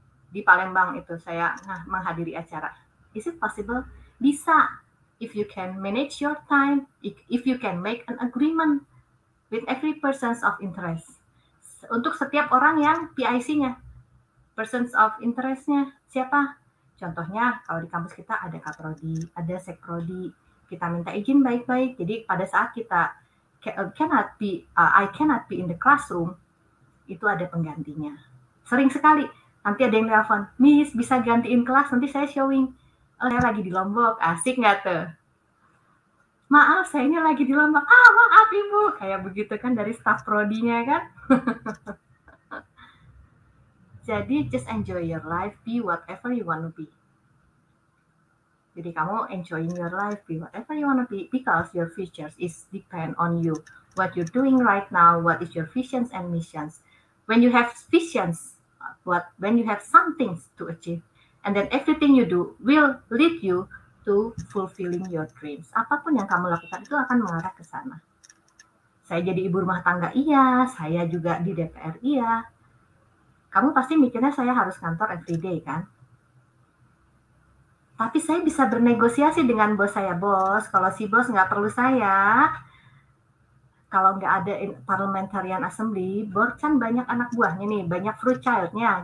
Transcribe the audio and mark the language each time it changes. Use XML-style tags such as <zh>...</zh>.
<id>di Palembang itu saya menghadiri acara.</id> <en>Is it possible?</en> <id>Bisa.</id> <en>If you can manage your time, if you can make an agreement with every persons of interest.</en> <id>Untuk setiap orang yang PIC-nya,</id> <en>persons of interest-</en> <id>nya siapa? Contohnya kalau di kampus kita ada kaprodi, ada sekprodi, kita minta izin baik-baik. Jadi pada saat kita</id> <en>I cannot be in the classroom,</en> <id>itu ada penggantinya. Sering sekali nanti ada yang telepon, Miss bisa gantiin kelas, nanti saya showing. Oh, saya lagi di Lombok, asik nggak tuh? Maaf, saya ini lagi di Lombok. Ah, maaf Ibu. Kayak begitu kan dari staff prodinya kan.</id> <en>Jadi, just enjoy your life, be whatever you want to be.</en> <id>Jadi, kamu</id> <en>enjoying your life, be whatever you want to be, because your future is depend on you. What you're doing right now, what is your visions and missions. When you have visions, what, when you have some things to achieve, and then everything you do will lead you to fulfilling your dreams.</en> <id>Apapun yang kamu lakukan itu akan mengarah ke sana. Saya jadi ibu rumah tangga, iya. Saya juga di DPR, iya. Kamu pasti mikirnya saya harus kantor</id> <en>every day,</en> <id>kan? Tapi saya bisa bernegosiasi dengan bos saya. Bos, kalau si bos nggak perlu saya, kalau nggak ada</id> <en>parliamentarian assembly,</en> <id>bos kan banyak anak buahnya nih, banyak fruit child-nya.</id>